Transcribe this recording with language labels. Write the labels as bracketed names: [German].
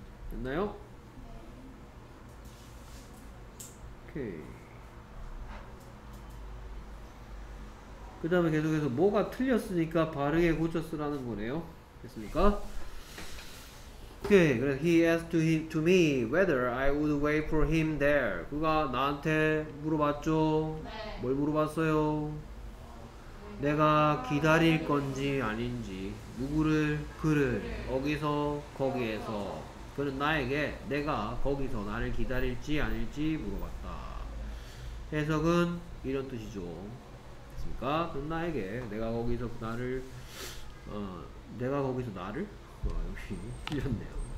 [Korean] 됐나요? 오케이. 그 다음에 계속해서 뭐가 틀렸으니까 바르게 고쳤으라는 거네요. 됐습니까? 오케이. 그래서 [English] he asked to, him, to me whether I would wait for him there. [Korean] 그가 나한테 물어봤죠? 네. 뭘 물어봤어요? 내가 기다릴 건지 아닌지. 누구를? 그를. 어디서? 거기에서. 그는 나에게 내가 거기서 나를 기다릴지 아닐지 물어봤다. 해석은 이런 뜻이죠. 그 나에게 내가 거기서 나를 내가 거기서 나를 역시 틀렸네요.